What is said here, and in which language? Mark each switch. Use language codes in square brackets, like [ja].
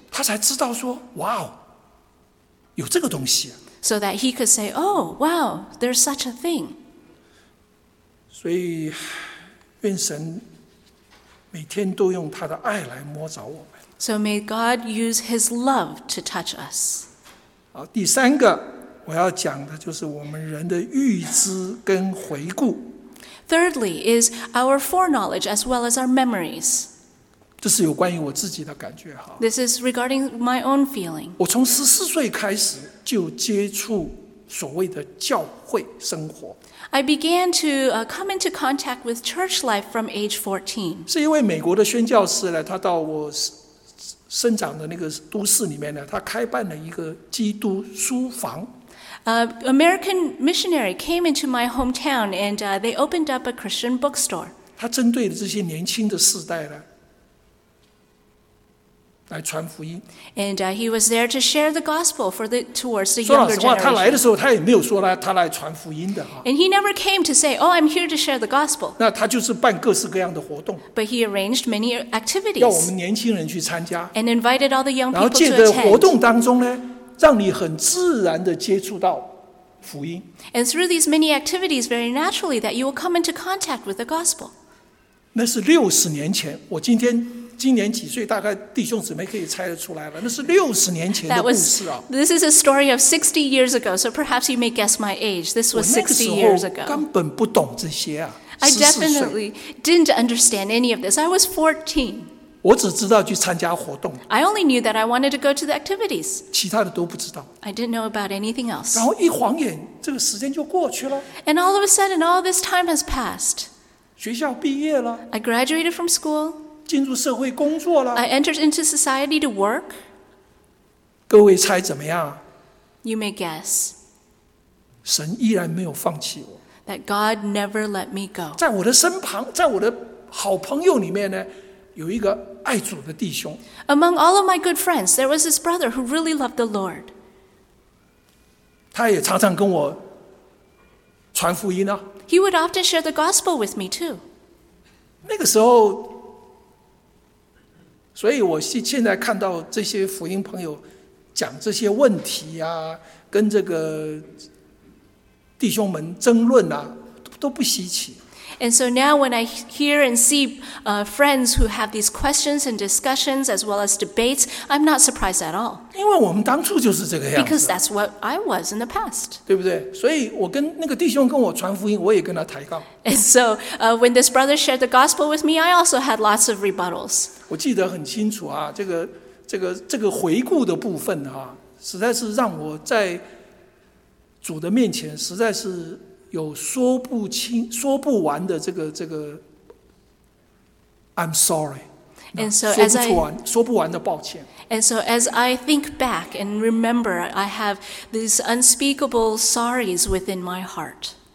[zh] 他才知道说，哇哦，有这个东西啊。 [en] So that he could say, oh, wow, there's such a thing. [zh] 所以愿神每天都用他的爱来摸着我们。 [en] So may God use His love to touch us. [zh] 好，第三个我要讲的就是我们人的预知跟回顾。 [en] Thirdly is our foreknowledge as well as our memories. [zh] 这是有关于我自己的感觉哈。 [en] This is regarding my own feeling. [zh] 我从14岁开始就接触所谓的教会生活。 [en] I began to come into contact with church life from age 14. [zh] 是一位美国的宣教师呢，他到我生长的那个都市里面呢，他开办了一个基督书房。 [en] American missionary came into my hometown and they opened up a Christian bookstore. [zh] 他针对这些年轻的世代呢，来传福音。 [en] And he was there to share the gospel for the towards the younger generation. [zh] 说老实话，他来的时候，他也没有说他来传福音的。 [en] And he never came to say, "Oh, I'm here to share the gospel." [zh] 那他就是办各式各样的活动。 [en] But he arranged many activities. [zh] 要我们年轻人去参加。 [en] And invited all the young people to attend. [zh] 然后借着活动当中呢，让你很自然的接触到福音。 [en] And through these many activities, very naturally that you will come into contact with the gospel. [zh] 那是60年前，我今天。今年几岁？大概弟兄姊妹可以猜得出来了。那是60年前的故事啊。 [en] This is a story of 60 years ago, so perhaps you may guess my age. This was 60 years ago. [zh] 根本不懂这些啊。 [en] I definitely didn't understand any of this. I was 14. [zh] 我只知道去参加活动。 [en] I only knew that I wanted to go to the activities. [zh] 其他的都不知道。 [en] I didn't know about anything else. [zh] 然后一晃眼，这个时间就过去了。 [en] And all of a sudden, all this time has passed. [zh] 学校毕业了。 [en] I graduated from school. [zh] 进入社会工作了。 [en] I entered into society to work. [zh] 各位猜怎么样？ [en] You may guess. [zh] 神依然没有放弃我。 [en] That God never let me go. [zh] 在我的身旁，在我的好朋友里面呢，有一个爱主的弟兄。 [en] Among all of my good friends, there was this brother who really loved the Lord. [zh] 他也常常跟我传福音啊。 [en] He would often share the gospel with me too. [zh] 那个时候所以我现在看到这些福音朋友讲这些问题啊，跟这个弟兄们争论啊，都不稀奇。 [en] And so now when I hear and see friends who have these questions and discussions as well as debates, I'm not surprised at all. [zh] 因为我们当初就是这个样子。 [en] Because that's what I was in the past. [zh] 对不对？所以我跟那个弟兄跟我传福音，我也跟他抬杠。 [en] And so when this brother shared the gospel with me, I also had lots of rebuttals. [zh] 我记得很清楚啊，这个回顾的部分啊，实在是让我在主的面前实在是有说不清说不完的这个 [en] I'm sorry. And so [zh] 说不完的抱歉。 [en] And so as I think back and remember, I have these unspeakable sorries within my heart.